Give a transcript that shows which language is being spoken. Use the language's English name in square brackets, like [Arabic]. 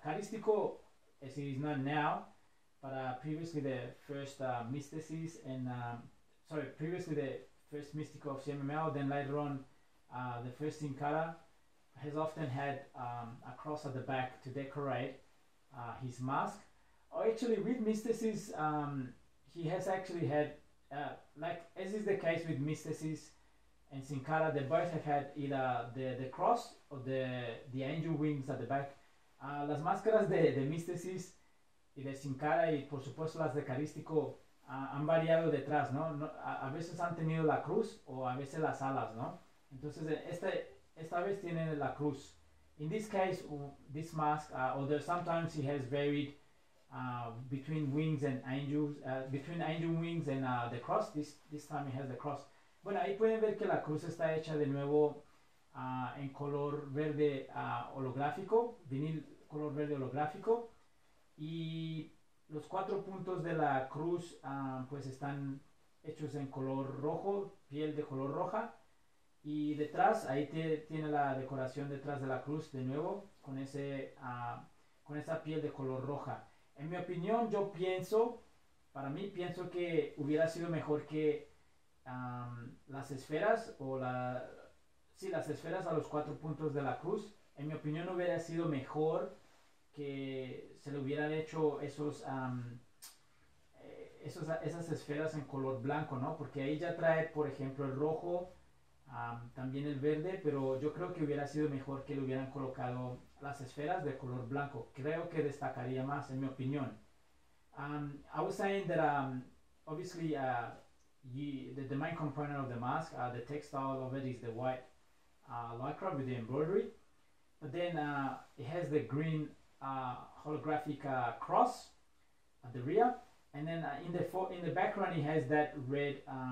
[English] Carístico, as it is known now, but previously the first Místesis, and sorry, previously the first místico of CMML, then later on, the first Sin Cara has often had a cross at the back to decorate his mask. Oh, actually, with Místesis, he has actually had, like, as is the case with Místesis and Sin Cara, they both have had either the cross or the angel wings at the back. [Spanish] Las máscaras de Místesis y de Sin Cara, y por supuesto las de Carístico, han variado detrás, ¿no? No, a veces han tenido la cruz o a veces las alas, ¿no? Entonces, esta vez tiene la cruz. In this case, this mask, although sometimes he has varied between wings and angels, between angel wings and the cross, this time he has the cross. Bueno, ahí pueden ver que la cruz está hecha de nuevo en color verde holográfico, vinil color verde holográfico. Y los cuatro puntos de la cruz, pues están hechos en color rojo, piel de color roja. Y detrás, ahí tiene la decoración detrás de la cruz de nuevo, con con esa piel de color roja. En mi opinión, yo pienso, para mí, pienso que hubiera sido mejor que las esferas o la. Sí, las esferas a los cuatro puntos de la cruz. En mi opinión, hubiera sido mejor que se le hubieran hecho esas esferas en color blanco, ¿no? Porque ahí ya trae, por ejemplo, el rojo. También el verde, pero yo creo que hubiera sido mejor que le hubieran colocado las esferas de color blanco. Creo que destacaría más, en mi opinión. [English] I was saying that obviously the main component of the mask, the textile of it is the white lycra with the embroidery, but then it has the green holographic cross at the rear, and then in the background it has that red.